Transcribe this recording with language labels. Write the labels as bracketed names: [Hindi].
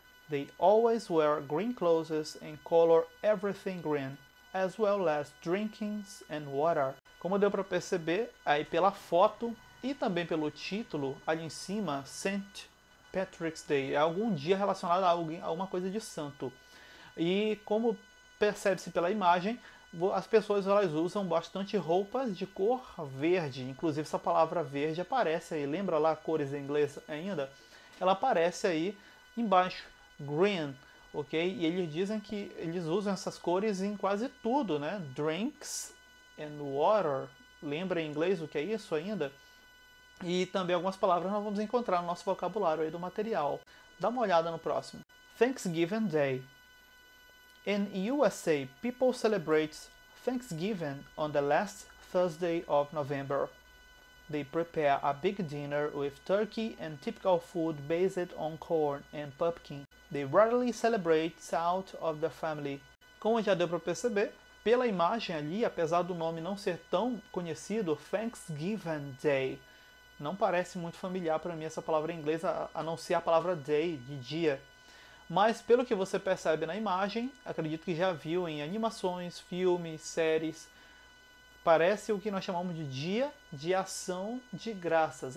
[English] They always wear green clothes and color everything green, as well as drinkings and water. [Portuguese] Como deu para perceber aí pela foto e também pelo título ali em cima, St. Patrick's Day é algum dia relacionado a alguém, a alguma coisa de santo. E como percebe-se pela imagem, as pessoas elas usam bastante roupas de cor verde. Inclusive essa palavra verde aparece aí, lembra lá cores em inglês ainda? Ela aparece aí embaixo, green, ok? E eles dizem que eles usam essas cores em quase tudo, né? [English] Drinks and water, [Portuguese] lembra em inglês o que é isso ainda? E também algumas palavras nós vamos encontrar no nosso vocabulário aí do material. Dá uma olhada no próximo. [English] Thanksgiving Day. In USA, people celebrate Thanksgiving on the last Thursday of November. They prepare a big dinner with turkey and typical food based on corn and pumpkin. They rarely celebrate out of the family. [Portuguese] Como já deu para perceber, pela imagem ali, apesar do nome não ser tão conhecido, Thanksgiving Day. Não parece muito familiar para mim essa palavra em inglês, a não ser a palavra day, de dia. Mas pelo que você percebe na imagem, acredito que já viu em animações, filmes, séries, parece o que nós chamamos de dia de ação de graças.